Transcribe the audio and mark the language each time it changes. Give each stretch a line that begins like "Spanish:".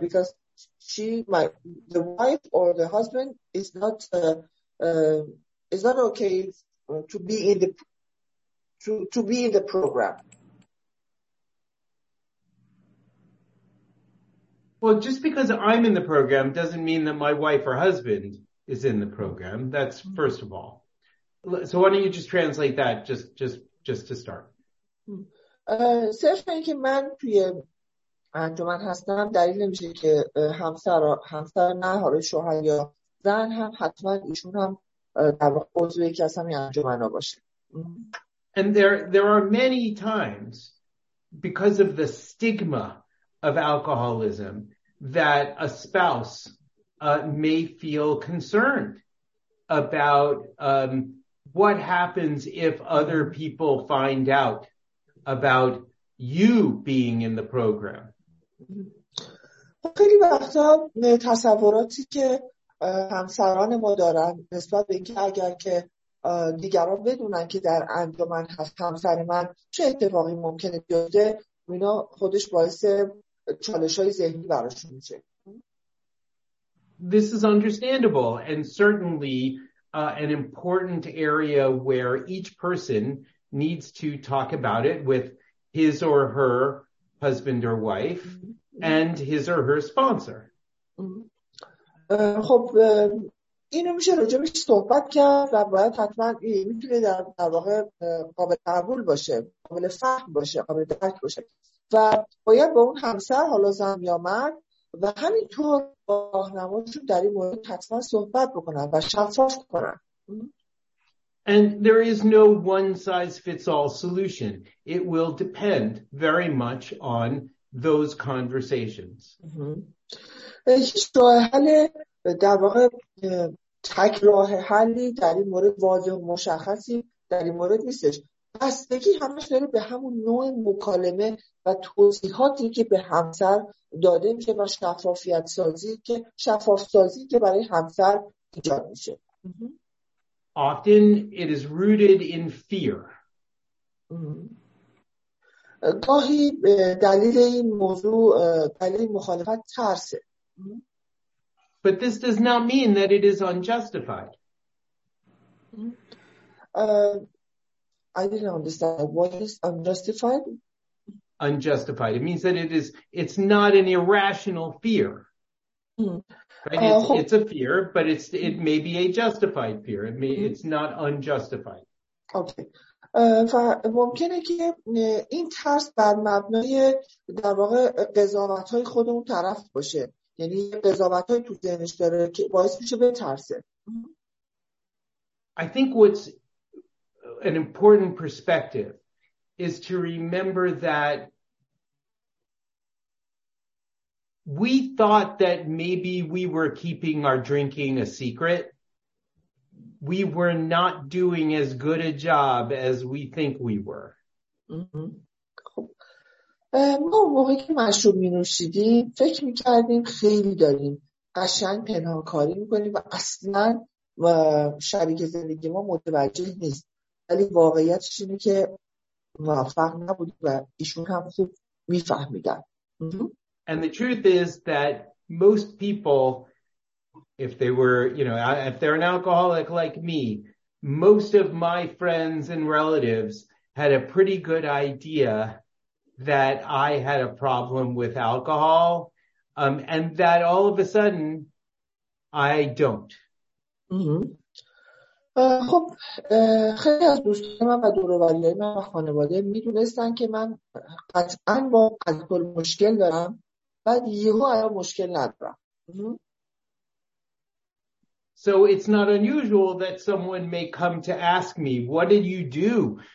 English: Because she, the wife or the husband, is not okay to be in the program. Well, just because I'm in the program doesn't mean that my wife or husband is in the program. That's first of all. So why don't you just translate that just to start?
Persian: صرف اینکه من توی انجمن هستم دلیل نمیشه که همسر نه حالا شوهر یا زن هم حتما ایشون هم در واقع عضو یکی از همین انجمنا باشه.
English: And there are many times because of the stigma of alcoholism that a spouse may feel concerned about what happens if other people find out about you being in the program.
Persian: خیلی وقتا تصوراتی که همسران ما دارن نسبت به اینکه اگر که دیگران بدونن که در انجمن هست همسر من چه اتفاقی ممکنه بیفته، اینا خودش باعث چالش‌های ذهنی براشون میشه.
English: This is understandable and certainly an important area where each person needs to talk about it with his or her husband or wife and his or her sponsor.
Persian: خب اینو میشه راجبش صحبت کرد و باید حتما میتونه در واقع قابل قبول باشه، قابل فهم باشه، قابل درک باشه و باید با اون همسر حالا زن یا مرد و همینطور با راهنماشون در این مورد حتما صحبت بکنن و شفاف کنن.
English: And there is no one size fits all solution. It will depend very much on those conversations.
Persian: هیچ راه حل در واقع تک راه حلی در این مورد واضح و مشخصی در این مورد نیستش. بستگی همش داره به همون نوع مکالمه و توضیحاتی که به همسر داده میشه و شفافیت سازی که شفاف سازی که برای همسر ایجاد میشه.
English: Often it is rooted in fear.
Persian: گاهی دلیل این موضوع دلیل مخالفت ترسه.
English: But this does not mean that it is unjustified. I didn't understand. What is unjustified? Unjustified. It means that it's not an irrational fear. Right? It's a fear, but it may be a justified fear. It's not unjustified. Okay.
Persian: و ممکنه که این ترس بر مبنای در واقع قضاوت‌های خودمون طرف باشه. یعنی قضاوت‌های تو ذهنش داره که باعث میشه بترسه.
English: I think what's an important perspective is to remember that We thought that maybe we were keeping our drinking a secret. We were not doing as good a job as we think we were.
Persian: ما موقعی که مشروب می نوشیدیم فکر می کردیم خیلی داریم قشنگ پنهانکاری می کنیم و اصلا شریک زندگی ما متوجه نیست، ولی واقعیتش اینه که موفق نبود و ایشون هم خوب می فهمیدن.
English: And the truth is that most people, if they were, you know, if they're an alcoholic like me, most of my friends and relatives had a pretty good idea that I had a problem with alcohol, and that all of a sudden I don't.
Persian: خب خیلی از دوستان من و دوروبرهای من و خانواده میدونستن که من قطعا با الکل مشکل دارم، بعد یهو الان مشکل ندارم.
English: So it's not unusual that someone may come to ask me, what did you do?